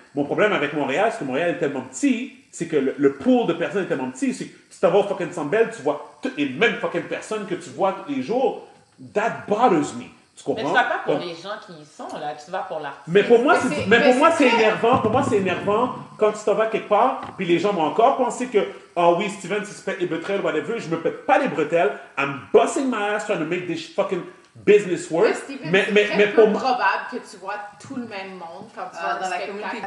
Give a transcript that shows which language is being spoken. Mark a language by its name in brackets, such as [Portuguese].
[French] Mon problème avec Montréal, c'est que Montréal est tellement petit, c'est que le pool de personnes est tellement petit. C'est que si tu vas au fucking Centre Bell, tu vois toutes les mêmes fucking personnes que tu vois tous les jours. [English] That bothers me. [French] Tu comprends? Mais tu vas pas pour les gens qui y sont, là. Tu vas pour l'artiste. Mais pour moi, c'est énervant. Pour moi, c'est énervant quand tu t'en vas quelque part, puis les gens vont encore penser que, oh oui, Steven, si tu pètes les bretelles, whatever, je me pète pas les bretelles. [English] I'm busting my ass trying to make this fucking... business work, [French] mais c'est probable que tu vois tout le même monde quand tu vas dans la communauté.